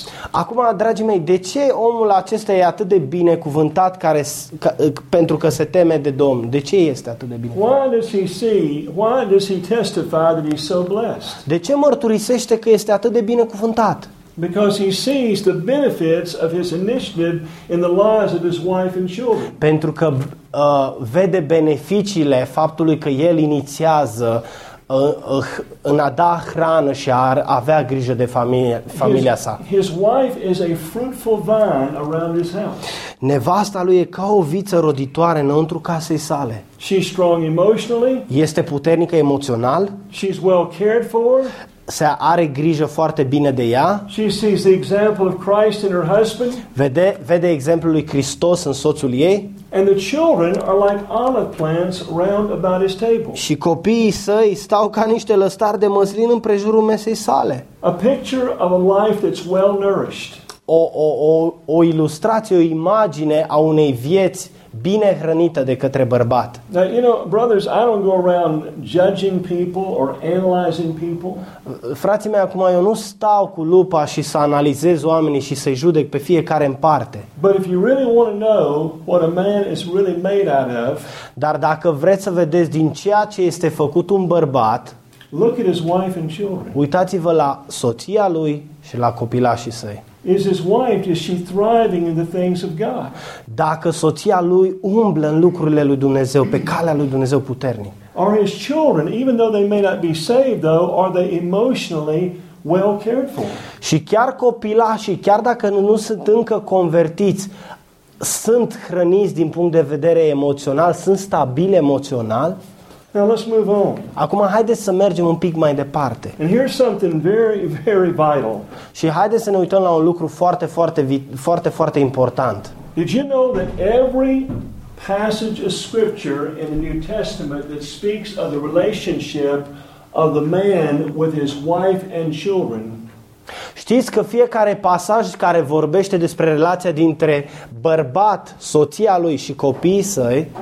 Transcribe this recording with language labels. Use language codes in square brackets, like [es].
[ro] Acum, dragii mei, de ce omul acesta e atât de binecuvântat pentru că se teme de Domnul? De ce este atât de binecuvântat? [en] Why does he testify that he's so blessed? [ro] De ce mărturisește că este atât de binecuvântat? [en] Because he sees the benefits of his initiative in the lives of his wife and children. [ro] Pentru că vede beneficiile faptului că el inițiază în a da hrană și a avea grijă de familia sa. [en] His wife is a fruitful vine around his house. [ro] Nevasta lui e ca o viță roditoare înăuntru casei sale. [en] She's strong emotionally. [ro] Este puternică emoțional. [en] She's well cared for. [ro] Se are grijă foarte bine de ea. [en] She sees the example of Christ in her husband. [ro] Vede exemplul lui Hristos în soțul ei. [en] And the children are like olive plants round about his table. [ro] Și copiii săi stau ca niște lăstari de măslin în prejurul mesei sale. [en] A picture of a life that's well nourished. [ro] O ilustrație, o imagine a unei vieți bine hrănită de către bărbat. [en] Now, you know, brothers, I don't go around judging people or analyzing people. [ro] Frații mei, acum eu nu stau cu lupa și să analizez oamenii și să-i judec pe fiecare în parte. [en] But if you really want to know what a man is really made out of, [ro] dar dacă vreți să vedeți din ceea ce este făcut un bărbat, [en] look at his wife and children. [ro] Uitați-vă la soția lui și la copilașii săi. [en] Is his wife, is she thriving in the things of God? [ro] Dacă soția lui umblă în lucrurile lui Dumnezeu, pe calea lui Dumnezeu puternic. [en] Are his children, even though they may not be saved though, are they emotionally well cared for? [ro] Și chiar copilașii, chiar dacă nu sunt încă convertiți, sunt hrăniți din punct de vedere emoțional, sunt stabili emoțional? [en] Now let's move on. [ro] Acum haideți să mergem un pic mai departe. [en] And here's something very, very vital. [ro] Și haideți să ne uităm la un lucru foarte, foarte, foarte, foarte important. [en] Did you know that every passage of scripture in the New Testament that speaks of the relationship of the man with his wife and children? [ro] Știți că fiecare pasaj care vorbește despre relația dintre bărbat, soția lui și copiii săi